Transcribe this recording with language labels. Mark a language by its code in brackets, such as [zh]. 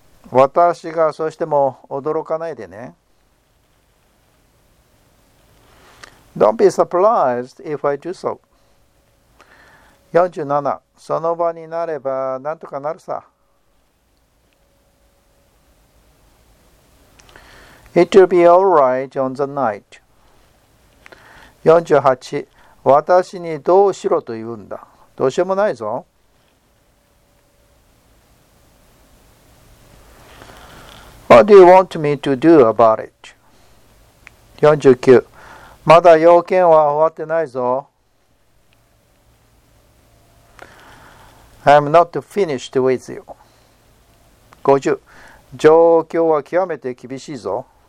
[ja] 私がそうしても驚かないでね。 [en] Don't be surprised if I do so. 47. [ja] その場になればなんとかなるさ。 [en] It will be all right on the night. 48. [ja] 私にどうしろと言うんだ。どうしようもないぞ。 [en] What do you want me to do about it? 49. [ja] まだ用件は終わってないぞ。 [en] I'm not finished with you. 50. [ja] 状況は極めて厳しいぞ。